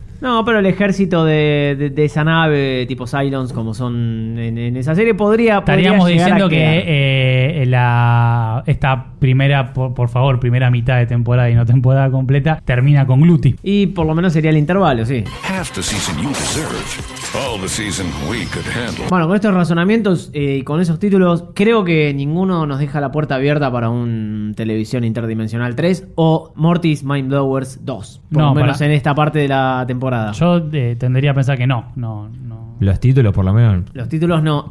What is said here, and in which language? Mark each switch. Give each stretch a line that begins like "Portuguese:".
Spanish: No, pero el ejército de esa nave tipo Cylons, como son en esa serie, podría estar diciendo que esta primera, por favor, primera mitad de temporada y no temporada completa, termina con Gluti. Y por lo menos sería el intervalo, sí.
English: Half the season you deserve, all the season we could handle.
Spanish: Bueno, con estos razonamientos y con esos títulos, creo que ninguno nos deja la puerta abierta para un Televisión Interdimensional 3 o Morty's Mindblowers 2, por lo menos en esta parte de la temporada. Yo tendería a pensar que no. Los títulos, por lo menos. Los títulos no.